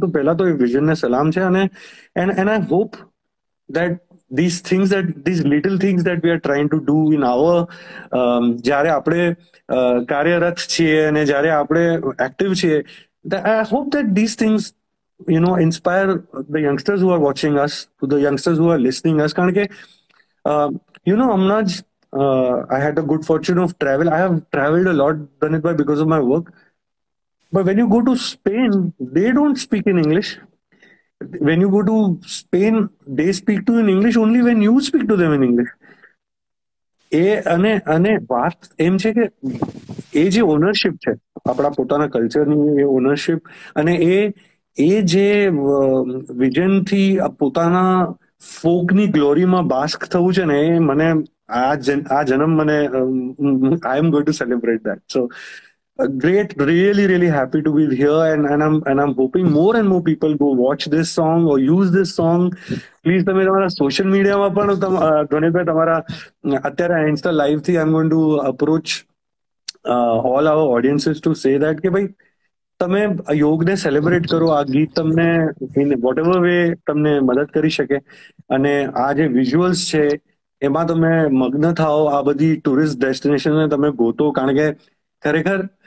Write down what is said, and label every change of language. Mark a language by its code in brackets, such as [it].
[gu] તો પહેલા તો એ વિઝનને સલામ છે, [en] અને and and I hope that these things that these little things that we are trying to do in our, [gu] જ્યારે આપણે કાર્યરત છીએ અને જ્યારે આપણે એક્ટિવ છીએ, [en] I hope that these things inspire the youngsters who are watching us, the youngsters who are listening us. [gu] કારણ કે હમણાં જ [en] I had a good fortune of travel, I have travelled a lot Dhanitbhai because of my work, but when you go to Spain they don't speak in English. When you go to Spain, they speak to you in English only when you speak to them in English. [gu] એ અને અને વાત એમ છે કે એ જે ownership છે આપણા પોતાના કલ્ચરની, એ ownership અને એ એ જે વિઝનથી પોતાના ફોકની ગ્લોરીમાં બાસ્ક થવું છે ને, એ મને આ જન્મ મને [en] I am going to celebrate that. So great, really really happy to be here, and I'm hoping more and more people go watch this song or use this song. [gu] Please તમે તમારા social media માં પણ, ધ્વનિત ભાઈ તમારા અત્યારે insta live થી [en] I'm going to approach all our audiences to say that [gu] કે ભાઈ તમે યોગ ને સેલિબ્રેટ કરો, આ ગીત તમને [en] in whatever way [gu] તમને મદદ કરી શકે, અને આ જે વિઝ્યુઅલ્સ છે એમાં તમે મગ્ન થાઓ, આ બધી ટુરિસ્ટ ડેસ્ટિનેશન ને તમે ગોતો. કારણ કે ખરેખર